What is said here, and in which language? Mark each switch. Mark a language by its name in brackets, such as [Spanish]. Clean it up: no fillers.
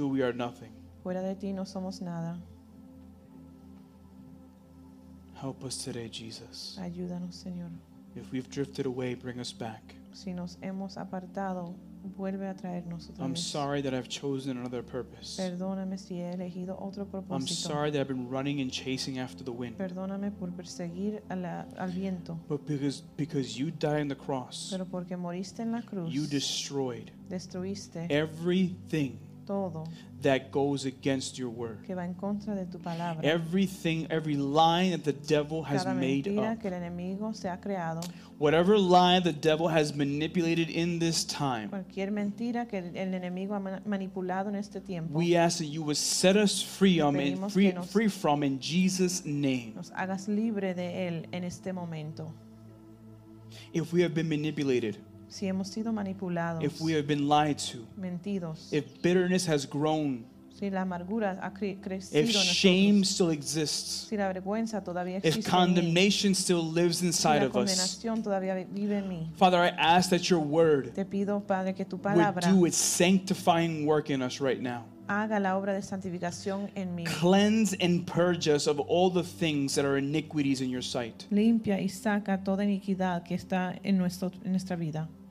[English] You, we are nothing. [Spanish] Fuera de ti no somos nada. [English] Help us today, Jesus. [Spanish] Ayúdanos, Señor. [English] If we've drifted away, bring us back. [Spanish] Si nos hemos apartado, vuelve a traernos otra vez. [English] I'm sorry that I've chosen another purpose. [Spanish] Perdóname si he elegido otro propósito. [English] I'm sorry that I've been running and chasing after the wind. [Spanish] Perdóname por perseguir al viento. [English] But because you died on the cross, [Spanish] pero porque moriste en la cruz, [English] you destroyed, [Spanish] destruiste [English] everything, [Spanish] todo [English] that goes against your word, [Spanish] que va en contra de tu palabra, [English] everything, every line that the devil has made up, [Spanish] que el enemigo se ha creado, [English] whatever lie the devil has manipulated in this time, [Spanish] cualquier mentira que el enemigo ha manipulado en este tiempo, [English] we ask that you would set us free, free from in Jesus' name. [Spanish] Nos hagas libre de él en este momento. [English] If we have been manipulated, [Spanish] si hemos sido manipulados, [English] if we have been lied to, [Spanish] mentidos, [English] if bitterness has grown, [Spanish] si Si la amargura ha crecido [English] if shame [Spanish] nosotros, [English] still exists, [Spanish] si la vergüenza todavía existe [English] if condemnation [Spanish] en mí, [English] still lives inside [Spanish] si la condenación [English] of us, [Spanish] todavía vive en mí, [English] Father, I ask that your word [Spanish] te pido, Padre, que tu palabra [English] would do its sanctifying work in us right now. [Spanish] Haga la obra de santificación en mí. [English] Cleanse and purge us of all the things that are iniquities in your sight. [Spanish] Limpia y saca toda iniquidad que está en nuestra vida.